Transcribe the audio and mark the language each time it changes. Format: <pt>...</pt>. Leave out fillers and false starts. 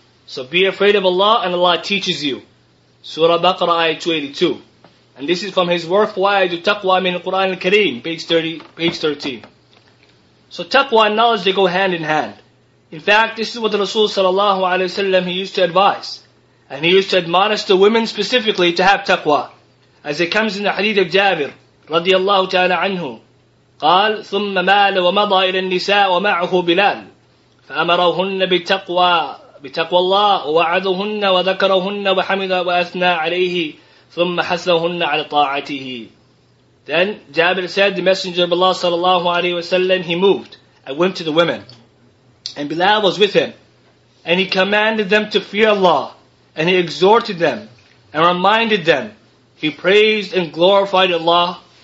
<en>So be afraid of Allah, and Allah teaches you. Surah Baqarah, ayah 282. And this is from his work, Fawaidu Taqwa min al-Qur'an al-Kareem, page 13. So taqwa and knowledge, they go hand in hand. In fact, this is what the Rasul sallallahu alayhi wa sallam, he used to advise. And he used to admonish the women specifically to have taqwa. As it comes in the hadith of Jabir, radiyallahu ta'ala anhu,</en> <ar>قال ثم مال ومضى إلى النساء ومعه بلال فأمرهن بتقوى بتقوى الله ووعدهن وذكرهن وحمد وأثنى عليه ثم حسنهن على طاعته.</ar> <en>Then Jabir said, the Messenger of Allah sallallahu alayhi wa sallam, he moved and went to the women. And Bilal was with him. And he commanded them to fear Allah. And he exhorted them and reminded them. He praised and glorified Allah.</en>